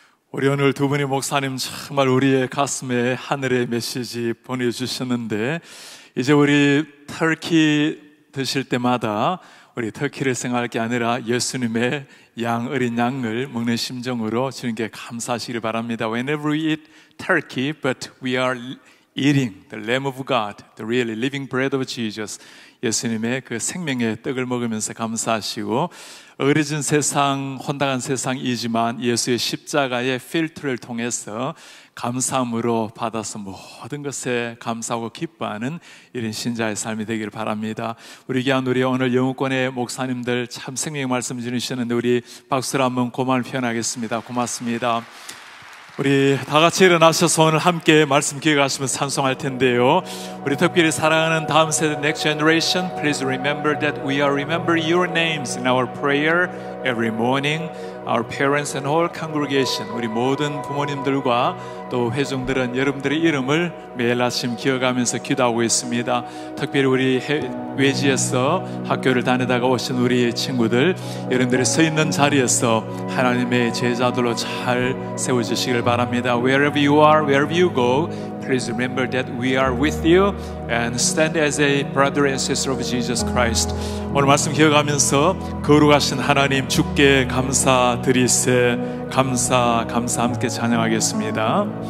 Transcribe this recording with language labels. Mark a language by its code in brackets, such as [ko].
[ko] 우리 오늘 두 분의 목사님 정말 우리의 가슴에 하늘의 메시지 보내주셨는데 이제 우리 터키 드실 때마다 우리 터키를 생각할 게 아니라 예수님의 양 어린 양을 먹는 심정으로 주님께 감사하시길 바랍니다. [en] Whenever we eat turkey, but we are eating the Lamb of God, the really living bread of Jesus, [ko] 예수님의 그 생명의 떡을 먹으면서 감사하시고 어려진 세상, 혼당한 세상이지만 예수의 십자가의 필터를 통해서 감사함으로 받아서 모든 것에 감사하고 기뻐하는 이런 신자의 삶이 되기를 바랍니다. 우리 귀한 우리 오늘 영우권의 목사님들 참 생명의 말씀 주시는데 우리 박수로 한번 고마움을 표현하겠습니다. 고맙습니다. 우리 다 같이 일어나셔서 오늘 함께 말씀 기억하시면 찬송할 텐데요. 우리 특별히 사랑하는 다음 세대 [en] Next Generation, Please remember that we are remember your names in our prayer every morning. Our parents and all congregation, [ko] 우리 모든 부모님들과 또 회중들은 여러분들의 이름을 매일 아침 기억하면서 기도하고 있습니다. 특별히 우리 외지에서 학교를 다니다가 오신 우리 친구들, 여러분들이 서 있는 자리에서 하나님의 제자들로 잘 세워주시길 바랍니다. [en] Wherever you are, wherever you go, please remember that we are with you and stand as a brother and sister of Jesus Christ. [ko] 오늘 말씀 기억하면서 거룩하신 하나님 주께 감사드리세 감사 감사 함께 찬양하겠습니다.